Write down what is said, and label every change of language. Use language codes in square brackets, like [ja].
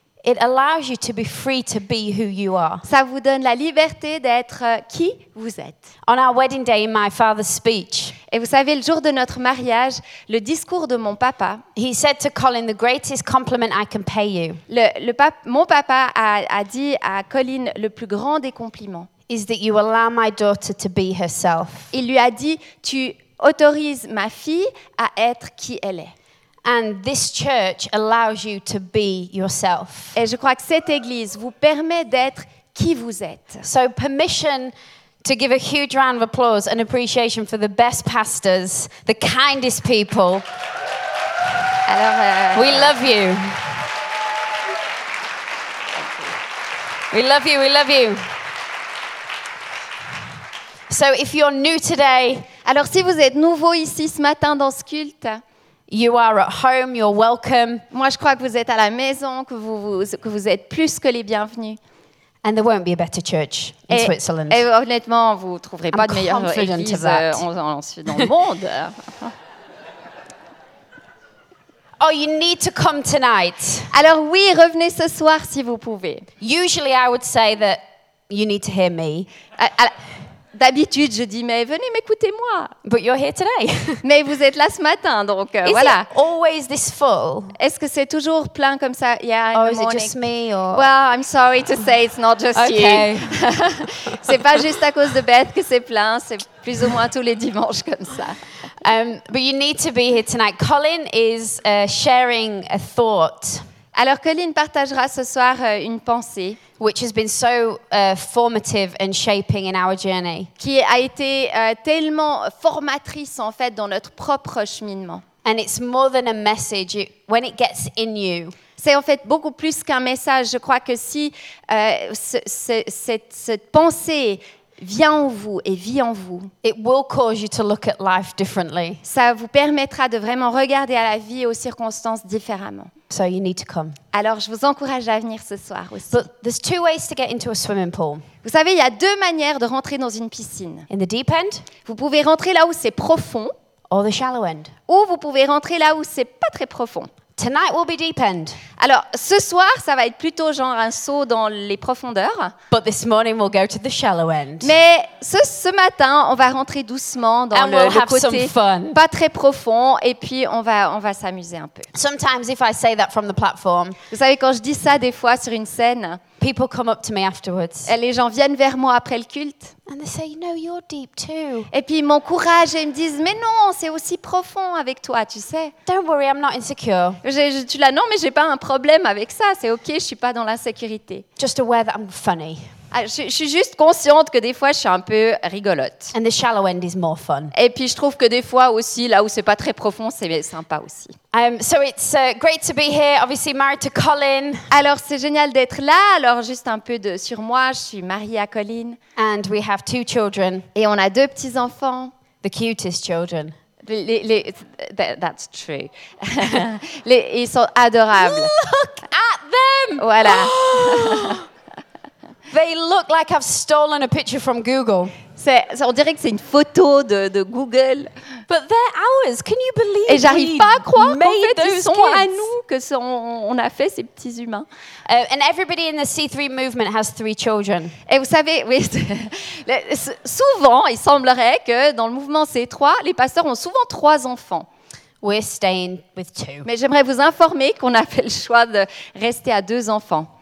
[en] it allows you to be free to be who you are. [fr] Ça vous donne la liberté d'être qui vous êtes. [en] On our wedding day, in my father's speech. [fr] Et vous savez, le jour de notre mariage, le discours de mon papa. [en] He said to Colin, the greatest compliment I can pay you. [fr] Mon papa a dit à Colin le plus grand des compliments. [en] Is that you allow my daughter to be herself. [fr] Il lui a dit, tu autorises ma fille à être qui elle est. [en] And this church allows you to be yourself. [fr] Et je crois que cette église vous permet d'être qui vous êtes. [en] So permission to give a huge round of applause and appreciation for the best pastors, the kindest people. [fr] Alors, [en] we love you. We love you, we love you. So if you're new today, [fr] alors si vous êtes nouveau ici ce matin dans ce culte, [en] you are at home, you're welcome. [fr] Moi, je crois que vous êtes à la maison, que vous êtes plus que les bienvenus. [en] And there won't be a better church in Switzerland. [fr] Et honnêtement, vous ne trouverez pas de meilleure église en Suisse dans le monde. [en] Oh, you need to come tonight. [fr] Alors oui, revenez ce soir si vous pouvez. [en] Usually, I would say that you need to hear me. [fr] D'habitude, je dis, mais venez m'écouter-moi. [en] But you're here today. [fr] Mais vous êtes là ce matin, donc [en] is [fr] voilà. [en] Is it always this full? [fr] Est-ce que c'est toujours plein comme ça? [en] Yeah, oh, in the morning. Is it just me? Or... Well, I'm sorry to say it's not just okay. You. [fr] C'est pas juste à cause de Beth que c'est plein, c'est plus ou moins tous les dimanches comme ça. [en] But you need to be here tonight. Colin is sharing a thought. [fr] Alors, Colin partagera ce soir une pensée. [en] Which has been so formative and shaping in our journey. [fr] Qui a été tellement formatrice en fait dans notre propre cheminement. [en] And it's more than a message when it gets in you. [fr] C'est en fait beaucoup plus qu'un message. Je crois que si cette pensée vient en vous et vit en vous, [en] it will cause you to look at life differently. [fr] Ça vous permettra de vraiment regarder à la vie et aux circonstances différemment. [en] So you need to come. [fr] Alors, je vous encourage à venir ce soir aussi. [en] But there's two ways to get into a swimming pool. [fr] Vous savez, il y a deux manières de rentrer dans une piscine. [en] In the deep end. [fr] Vous pouvez rentrer là où c'est profond. [en] Or the shallow end. [fr] Ou vous pouvez rentrer là où c'est pas très profond. [en] Tonight will be deep end. [fr] Alors, ce soir, ça va être plutôt genre un saut dans les profondeurs. [en] But this morning we'll go to the shallow end. [fr] Mais ce matin, on va rentrer doucement dans [en] and we'll [fr] le côté [en] have some fun. [fr] Pas très profond, et puis on va s'amuser un peu. [en] Sometimes if I say that from the platform. [fr] Vous savez, quand je dis ça des fois sur une scène, [en] people come up to me afterwards. [fr] Et les gens viennent vers moi après le culte. [en] And they say, no, you're deep too. [fr] Et puis ils m'encouragent et ils me disent, mais non, c'est aussi profond avec toi, tu sais. [en] Don't worry, I'm not insecure. [fr] Tu l'as, non, mais j'ai pas un problème avec ça. C'est ok, je suis pas dans l'insécurité. [en] Just aware that I'm funny. [fr] Je suis juste consciente que des fois, je suis un peu rigolote. [en] And the shallow end is more fun. [fr] Et puis, je trouve que des fois aussi, là où c'est pas très profond, c'est sympa aussi. [en] So it's great to be here. Obviously, married to Colin. [fr] Alors, c'est génial d'être là. Alors, juste un peu sur moi, je suis mariée à Colin. [en] And we have two children. [fr] Et on a deux petits enfants. [en] The cutest children. That's true. [fr] ils sont adorables. [en] Look at them. [fr] Voilà. [en] They look like I've stolen a picture from Google. [fr] On dirait que c'est une photo de Google. [en] But they're ours. Can you believe? [fr] Et j'arrive pas à croire qu'en fait ils sont à nous, que on a fait ces petits humains. [en] And everybody in the C3 movement has three children. [fr] Et vous savez, oui, souvent il semblerait que dans le mouvement C3, les pasteurs ont souvent trois enfants. [en] We're staying with two. [fr] Mais j'aimerais vous informer qu'on a fait le choix de rester à deux enfants.